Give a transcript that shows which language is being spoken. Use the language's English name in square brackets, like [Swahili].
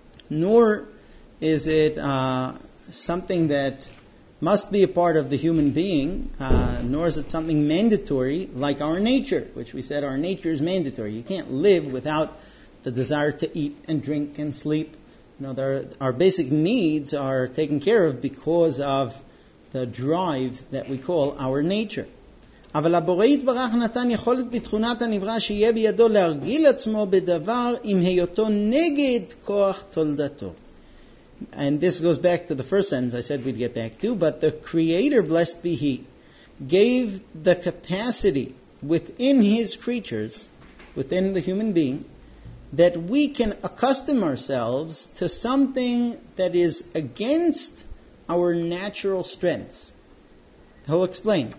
[English] Nor is it something that must be a part of the human being, nor is it something mandatory like our nature, which we said our nature is mandatory. You can't live without the desire to eat and drink and sleep. You know, our basic needs are taken care of because of the drive that we call our nature. [Hebrew] אבל הבורא יתברך נתן יכולת בתכונת הנברא שיהיה בידו להרגיל עצמו בדבר עם היותו נגד כוח תולדתו. [English] And this goes back to the first sentence I said we'd get back to, but the Creator, blessed be He, gave the capacity within His creatures, within the human being, that we can accustom ourselves to something that is against our natural strengths. He'll explain.